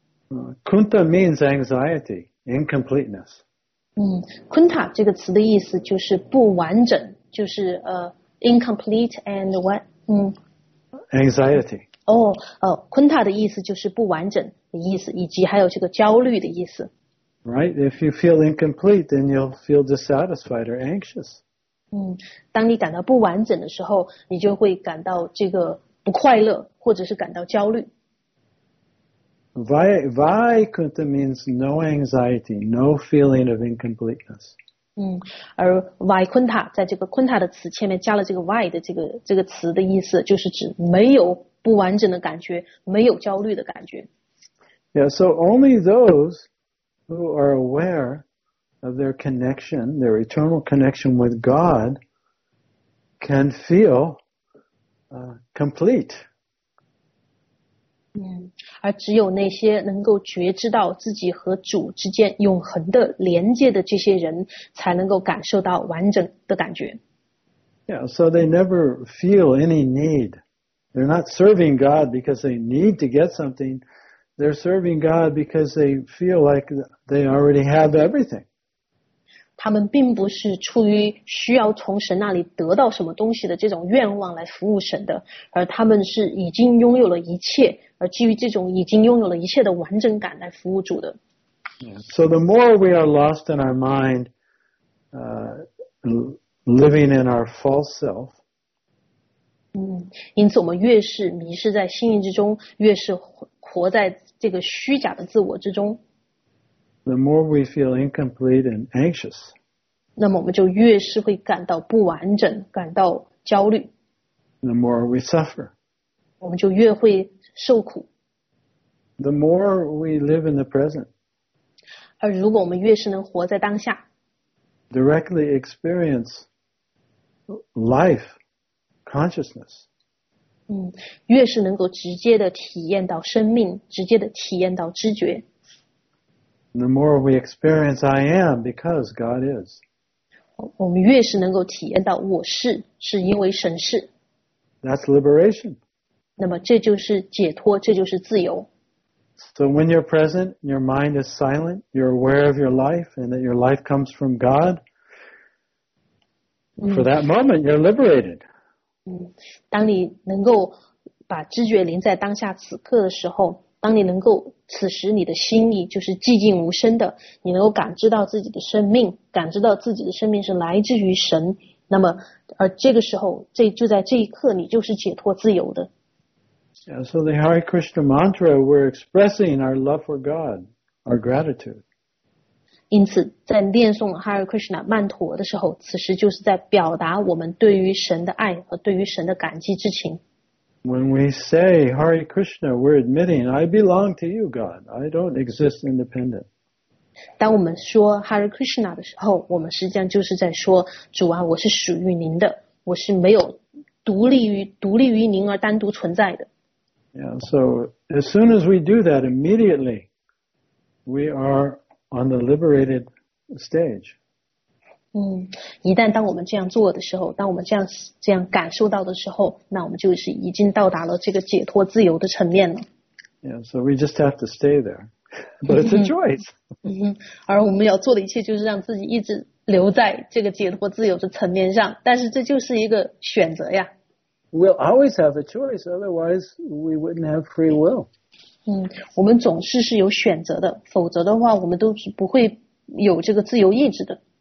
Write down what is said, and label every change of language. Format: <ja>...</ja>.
<en>Kunta means anxiety, incompleteness.</en> <zh>Kunta 这个词的意思就是不完整，就是</zh> <en>incomplete and what? Anxiety.</en> <zh>Kunta 的意思就是不完整的意思，以及还有这个焦虑的意思。</zh> <en>Right, if you feel incomplete, then you'll feel dissatisfied or anxious.</en> <zh>当你感到不完整的时候，你就会感到这个不快乐，或者是感到焦虑。</zh> <en>Vaikuntha means no anxiety, no feeling of incompleteness.</en> <zh>而 Vaikuntha 在这个 Kunta 的词前面加了这个 Vai 的这个词的意思，就是指没有不完整的感觉，没有焦虑的感觉。</zh> <en>Yeah, so only those who are aware of their connection, their eternal connection with God, can feel complete.</en> <zh>而只有那些能够觉知到自己和主之间永恒的连接的这些人才能够感受到完整的感觉。</zh> <en>Yeah, so they never feel any need. They're not serving God because they need to get something. They're serving God because they feel like they already have everything.</en> <zh>他们并不是出于需要从神那里得到什么东西的这种愿望来服务神的，而他们是已经拥有了一切，而基于这种已经拥有了一切的完整感来服务主的。</zh> <en>Yeah, so the more we are lost in our mind, living in our false self.</en> <zh>因此我们越是迷失在心意之中，越是活在这个虚假的自我之中。</zh> <en>The more we feel incomplete and anxious.</en> <zh>那么我们就越是会感到不完整，感到焦虑。</zh> <en>The more we suffer.</en> <zh>我们就越会受苦。</zh> <en>The more we live in the present.</en> <zh>而如果我们越是能活在当下。</zh> <en>Directly experience. Life, consciousness.</en> <zh>越是能够直接的体验到生命，直接的体验到知觉。</zh> <en>The more we experience I am because God is.</en> <zh>我们越是能够体验到我是，是因为神是。</zh> <en>That's liberation.</en> <zh>那么这就是解脱，这就是自由。</zh> <en>So when you're present, your mind is silent, you're aware of your life and that your life comes from God. For that moment, you're liberated.</en> <zh>当你能够把知觉临在当下此刻的时候，当你能够此时你的心意就是寂静无声的，你能够感知到自己的生命，感知到自己的生命是来自于神，那么而这个时候，这就在这一刻，你就是解脱自由的。</zh> <en>Yeah, so the Hare Krishna mantra, we're expressing our love for God, our gratitude.</en> <zh>因此在念诵 Hare Krishna 曼陀的时候，此时就是在表达我们对于神的爱和对于神的感激之情。</zh> <en>When we say Hare Krishna, we're admitting I belong to you, God. I don't exist independent.</en> <zh>当我们说 Hare Krishna 的时候，我们实际上就是在说，主啊，我是属于您的，我是没有独立于您而单独存在的。</zh> <en>Yeah, so as soon as we do that, immediately we areOn the liberated stage.</en> <zh>一旦当我们这样做的时候，当我们这样感受到的时候，那我们就是已经到达了这个解脱自由的层面了。</zh> <en>Yeah, so we just have to stay there, but it's a choice.</en> <zh>而我们要做的一切就是让自己一直留在这个解脱自由的层面上，但是这就是一个选择呀。</zh> <en>We'll always have a choice, otherwise we wouldn't have free will.</en> <zh>我们总是有选择的，否则的话，我们都是不会有这个自由意志的。</zh>